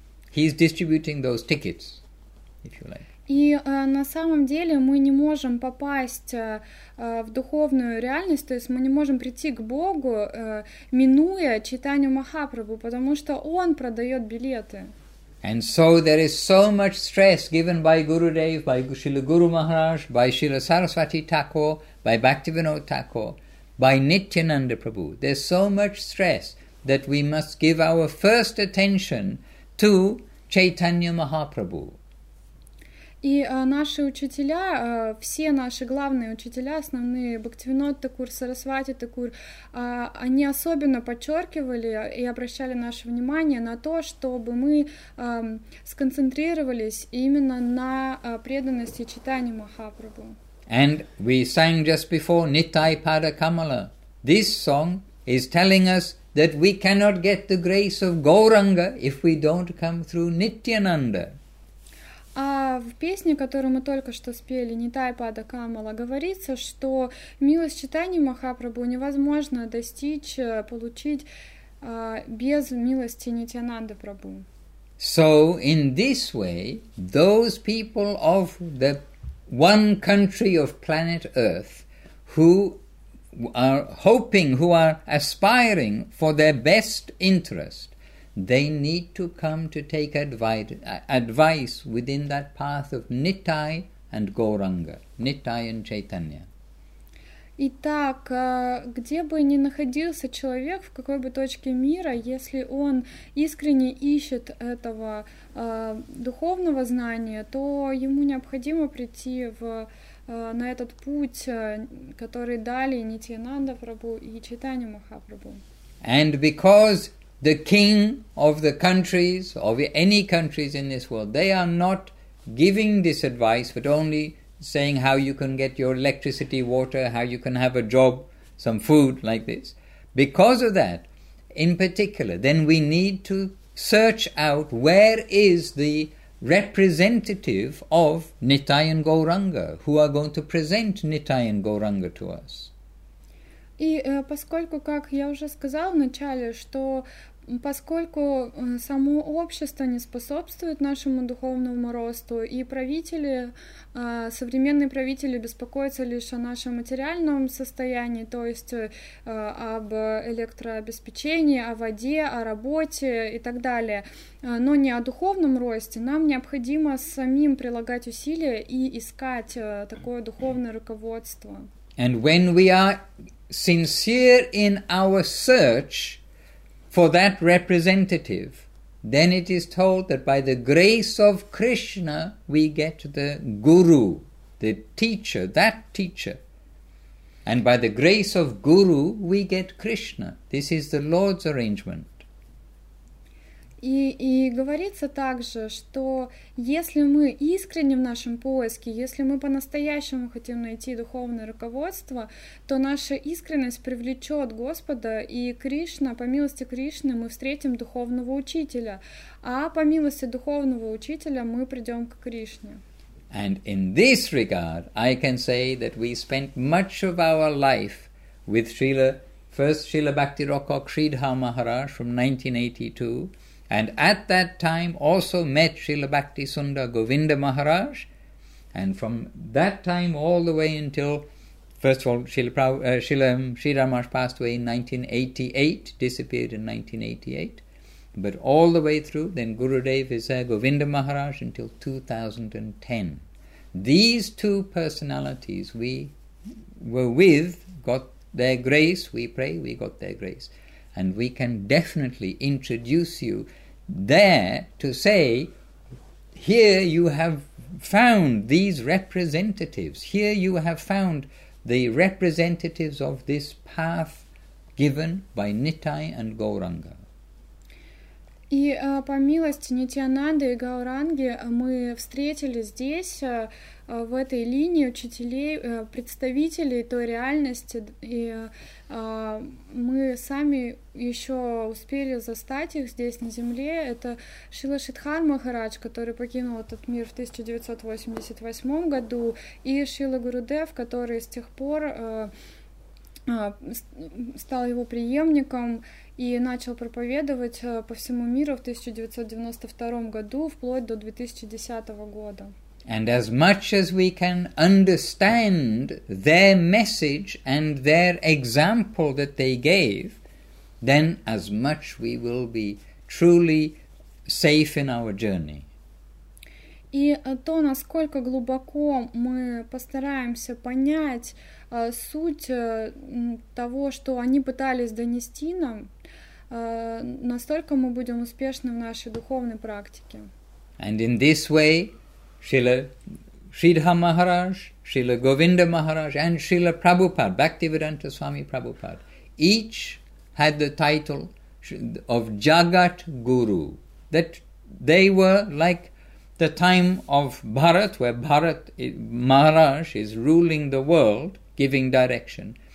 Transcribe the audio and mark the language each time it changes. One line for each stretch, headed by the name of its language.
English: He is distributing those tickets, if you like.
Russian: И на самом деле мы не можем попасть в духовную реальность, то есть мы не можем прийти к Богу, минуя Чайтанью Махапрабху, потому что он продает билеты.
English: And so there is so much stress given by Gurudev, by Srila Guru Maharaj, by Srila Saraswati Thakur, by Bhaktivinoda Thakur, by Nityananda Prabhu. There's so much stress that we must give our first attention to Chaitanya Mahaprabhu.
Russian: И наши учителя, все наши главные учителя, основные Бхактивинода Такур, Сарасвати Такур, они особенно подчеркивали и обращали наше внимание на то, чтобы мы сконцентрировались именно на преданности читания Махапрабху.
English: And we sang just before Nitai Pada Kamala. This song is telling us that we cannot get the grace of Gauranga if we don't come through Nityananda.
Russian: А в песне, которую мы только что спели, Нитай Пада Камала, говорится, что милость читания Махапрабху невозможно достичь, получить без милости Нитянанды Прабху.
English: So in this way, those people of the one country of planet Earth who are hoping, who are aspiring for their best interest, they need to come to take advice within that path of Nitai and Gauranga, Nitai and Chaitanya.
Russian: Итак, где бы ни находился человек, в какой бы точке мира, если он искренне ищет этого духовного знания, то ему необходимо прийти на этот путь, который дали Нитьянанда Прабху и Чайтанья Махапрабху.
English: And because the king of the countries, of any countries in this world, they are not giving this advice, but only saying how you can get your electricity, water, how you can have a job, some food, like this. Because of that, in particular, then we need to search out where is the representative of Nitai and Gauranga, who are going to present Nitai and Gauranga to us.
Russian: И поскольку, как я уже сказала в начале, что поскольку само общество не способствует нашему духовному росту, и правители, современные правители беспокоятся лишь о нашем материальном состоянии, то есть об электрообеспечении, о воде, о работе и так далее, но не о духовном росте, нам необходимо самим прилагать усилия и искать такое духовное руководство.
English: And when we are sincere in our search for that representative, then it is told that by the grace of Krishna we get the guru, the teacher, that teacher. And by the grace of guru we get Krishna. This is the Lord's arrangement.
Russian: И говорится также, что если мы искренне в нашем поиске, если мы по-настоящему хотим найти духовное руководство, то наша искренность привлечет Господа, и Кришна, по милости Кришны, мы встретим духовного учителя, а по милости духовного учителя мы придем к Кришне.
English: And in this regard, I can say that we spent much of our life with Srila, first Srila Bhakti Rokok Sridhar Maharaj from 1982, and at that time also met Srila Bhakti Sundar Govinda Maharaj. And from that time all the way until, first of all, Srila Maharaj passed away in 1988, disappeared in 1988. But all the way through, then Gurudev is there, Govinda Maharaj, until 2010. These two personalities we were with, got their grace, we pray, we got their grace. And we can definitely introduce you there to say, here you have found these representatives, here you have found the representatives of this path given by Nitai and Gauranga.
Russian: И по милости Нитьянанды и Гауранги мы встретили здесь, в этой линии учителей, представителей той реальности, и мы сами еще успели застать их здесь, на земле. Это Шрила Шридхар Махарадж, который покинул этот мир в 1988 году, и Шрила Гурудев, который с тех пор стал его преемником и начал проповедовать по всему миру в 1992 году, вплоть до 2010 года.
English: And as much as we can understand their message and their example that they gave, then as much we will be truly safe in our journey.
Russian: И то, насколько глубоко мы постараемся понять суть того, что они пытались донести нам, настолько мы будем успешны в нашей духовной практике.
English: And in this way, Srila Sridhar Maharaj, Srila Govinda Maharaj and Srila Prabhupada, Bhaktivedanta Swami Prabhupada, each had the title of Jagat Guru. That they were like the time of Bharat, where Bharat Maharaj is ruling the world, giving direction.